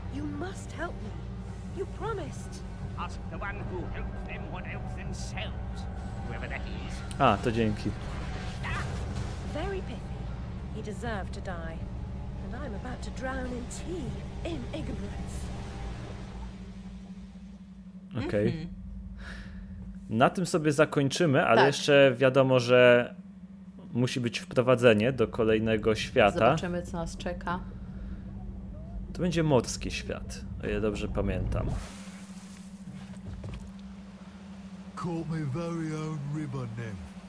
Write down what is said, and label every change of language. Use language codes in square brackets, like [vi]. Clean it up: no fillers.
[en] You must help me. You promised. Ask the one who helped them what helped themselves. Whoever that is. [pl] Ah, to dzięki. [en] Very pithy. He deserved to die. And I'm about to drown in tea, in ignorance. Okej. Okay. [pl] Na tym sobie zakończymy, ale tak. Jeszcze wiadomo, że musi być wprowadzenie do kolejnego świata. Zobaczymy, co nas czeka. To będzie morski świat, o ile dobrze pamiętam. [en] Caught my very own ribbon nymph.